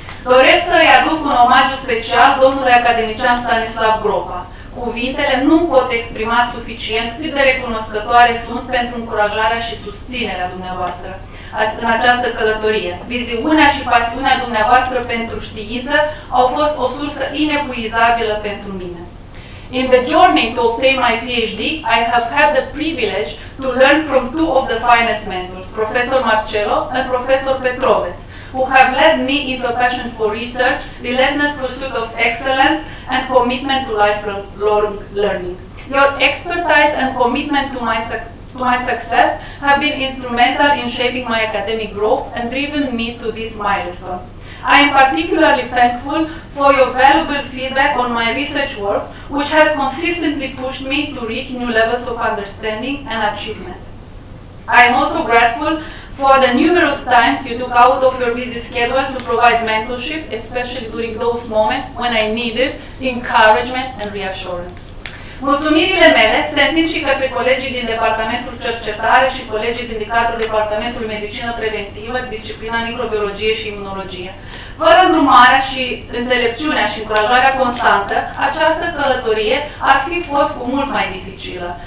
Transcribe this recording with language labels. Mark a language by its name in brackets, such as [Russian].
[Romanian] Doresc să-i aduc un omagiu special domnului academician Stanislav Gropa. Cuvintele nu pot exprima suficient cât de recunoscătoare sunt pentru încurajarea și susținerea dumneavoastră în această călătorie. Viziunea și pasiunea dumneavoastră pentru știință au fost o sursă inepuizabilă pentru mine. [English] In the journey to obtain my PhD, I have had the privilege to learn from two of the finest mentors, Professor Marcello and Professor Petroveț, who have led me into a passion for research, relentless pursuit of excellence, and commitment to lifelong learning. Your expertise and commitment to my success have been instrumental in shaping my academic growth and driven me to this milestone. I am particularly thankful for your valuable feedback on my research work, which has consistently pushed me to reach new levels of understanding and achievement. I am also grateful for the numerous times you took out of your busy schedule to provide mentorship, especially during those moments when I needed encouragement and reassurance. [Romanian] Mulțumirile mele se întind și către colegii din Departamentul Cercetare și colegii din cadrul Departamentului Medicină Preventivă, Disciplina Microbiologie și Imunologie. Fără îndrumarea și înțelepciunea și încurajarea constantă, această călătorie ar fi fost cu mult mai dificilă.